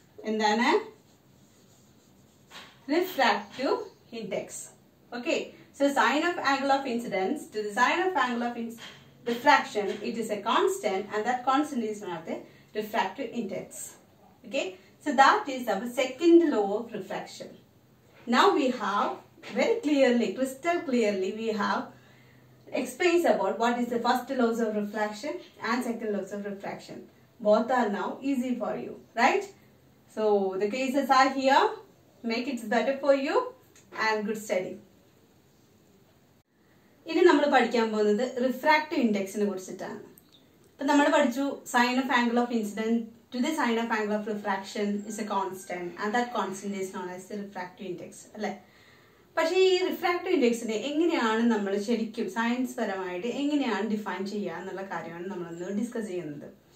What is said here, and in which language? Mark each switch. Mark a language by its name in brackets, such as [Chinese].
[Malayalam] എന്താണ് refractive index? [English] Okay, so sine of angle of incidence to the sine of angle of refraction it is a constant and that constant is not the refractive index. Okay, so that is our second law of refraction. Now we have very clearly, crystal clearly, we have explains about what is the first laws of refraction and second laws of refraction. Both are now easy for you, right? So the cases are here. Make it better for you and good study. [Malayalam] ഇനി നമ്മൾ പഠിക്കാൻ പോകുന്നത് refractive ഇൻഡെക്സിനെ കുറിച്ചിട്ടാണ്. അപ്പോൾ നമ്മൾ പഠിച്ചു [English] Sine of angle of incidence to the sine of angle of refraction is a constant and that constant is known as the refractive index അല്ലേ. [Malayalam] പക്ഷേ ഈ റിഫ്രാക്റ്റീവ് ഇൻഡെക്സിനെ എങ്ങനെയാണ് നമ്മൾ ശരിക്കും സയൻസ് പരമായിട്ട് എങ്ങനെയാണ് ഡിഫൈൻ ചെയ്യുക എന്നുള്ള കാര്യമാണ് നമ്മളൊന്ന് ഡിസ്കസ് ചെയ്യുന്നത്.